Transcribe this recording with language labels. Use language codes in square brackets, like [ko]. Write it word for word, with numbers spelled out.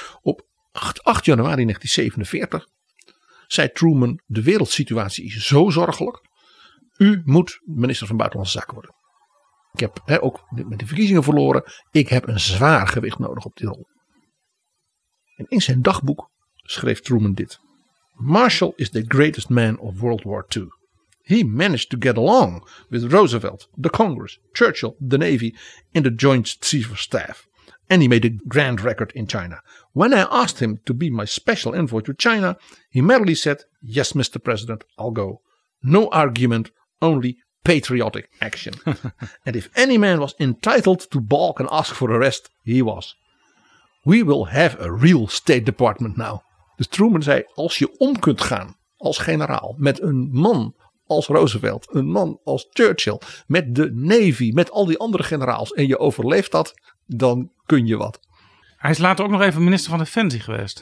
[nl] Op acht januari negentien zevenenveertig zei Truman, de wereldsituatie is zo zorgelijk. U moet minister van Buitenlandse Zaken worden. Ik heb hè, ook met de verkiezingen verloren. Ik heb een zwaar gewicht nodig op die rol. En in zijn dagboek schreef Truman dit. [en] Marshall is the greatest man of World War Two. He managed to get along with Roosevelt, the Congress, Churchill, the Navy and the Joint Chiefs of Staff. And he made a grand record in China. When I asked him to be my special envoy to China, he merely said, yes, mister President, I'll go. No argument, only patriotic action. And if any man was entitled to balk and ask for arrest, he was. We will have a real State Department now. [nl] Dus Truman zei, als je om kunt gaan als generaal met een man als Roosevelt, een man als Churchill, met de Navy, met al die andere generaals en je overleeft dat, dan kun je wat. Hij is later ook nog even minister van Defensie geweest.